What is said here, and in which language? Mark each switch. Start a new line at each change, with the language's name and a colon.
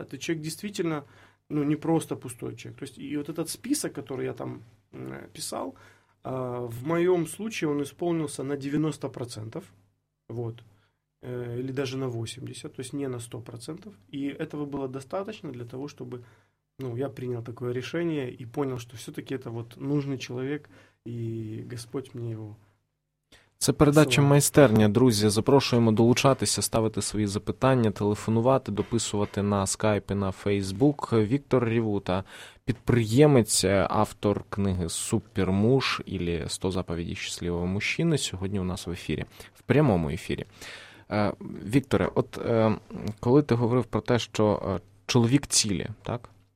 Russian: Этот человек действительно, ну, не просто пустой человек. То есть, и вот этот список, который я там писал, в моем случае он исполнился на 90%. Вот, или даже на 80%. То есть не на 100%. И этого было достаточно для того, чтобы, ну, я принял такое решение и понял, что все-таки это вот нужный человек.
Ukrainian: І Господь мені його. Це передача «Майстерня», друзі. Запрошуємо долучатися, ставити свої запитання, телефонувати, дописувати на Skype і на Facebook. Віктор Рівута, підприємець, автор книги «Супермуж» або «100 заповідей щасливого мужчини», сьогодні у нас в ефірі, в прямому ефірі. Вікторе, от коли ти говорив про те, що чоловік цілі, так?